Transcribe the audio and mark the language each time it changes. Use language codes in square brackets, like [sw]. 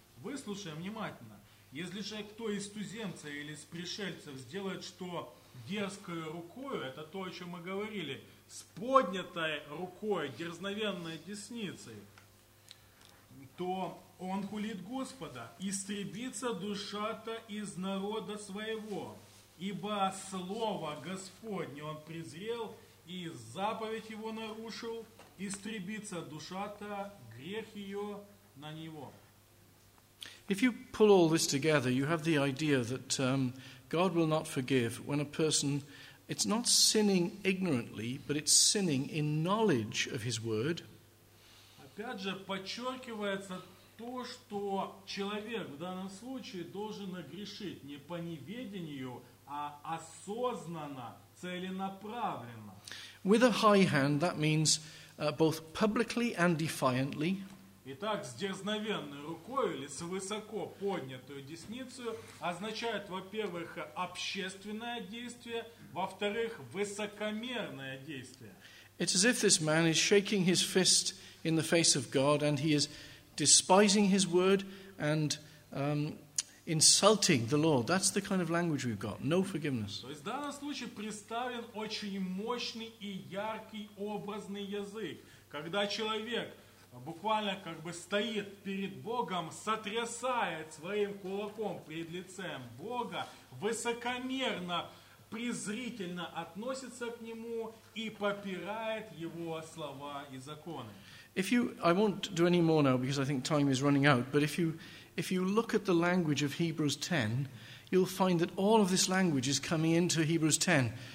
[ru] Выслушаем внимательно. Если же кто из туземцев или из пришельцев сделает что дерзкой рукою, это то, о чем мы говорили, с поднятой рукой, дерзновенной десницей, то он хулит Господа, истребится душа-то из народа своего, ибо слово Господне он презрел, и заповедь его нарушил, истребится душа-то, грех ее на него. [en] If you pull all this together, you have the idea that God will not forgive when a person, it's not sinning ignorantly, but it's sinning in knowledge of his word. [ru] Опять же, подчеркивается то, что человек в данном случае должен грешить не по неведению, а осознанно, целенаправленно. [en] With a high hand, that means both publicly and defiantly. [ru] Итак, с дерзновенной рукой или с высоко поднятой десницей означает, во-первых, общественное действие, во-вторых, высокомерное действие. [en] It's as if this man is shaking his fist in the face of God, and he is despising his word and insulting the Lord. That's the kind of language we've got. No forgiveness. [ru] То есть в данном случае представлен очень мощный и яркий образный язык, когда человек буквально как бы стоит перед Богом, сотрясает своим кулаком перед лицем Бога, высокомерно, презрительно относится к нему и попирает его слова и законы. [en] If you, I won't do any more now because I think time is running out, but if you look at the language of Hebrews 10, you'll find that all of this language is coming into Hebrews 10.